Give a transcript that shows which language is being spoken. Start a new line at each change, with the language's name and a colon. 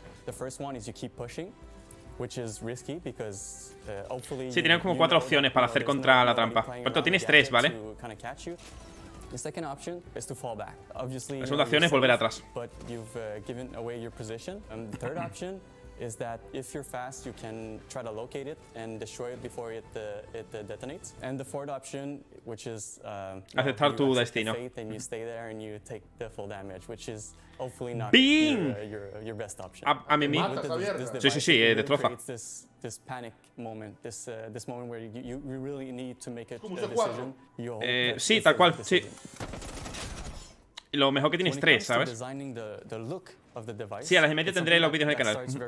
English: the first one is you keep pushing, which is risky because hopefully.
Spanish: Sí, tienes como cuatro opciones para hacer contra la trampa. Pero tienes tres, ¿vale?
English: The second option is to fall back. Obviously.
Spanish: La segunda opción es volver atrás.
English: But you've given away your position. And the third option is that if you're fast, you can try to locate it and destroy it before it detonates. And the fourth option, which is
Spanish: aceptar tu destino.
English: And you stay there and you take the full damage, which is hopefully not your best option.
Spanish: A mí mismo. Sí, sí, sí, destroza.
English: This panic moment, this moment where you really need to make a decision.
Spanish: Sí, tal cual, sí. Lo mejor que tienes tres, ¿sabes? Sí, a las y media tendré los vídeos en el canal.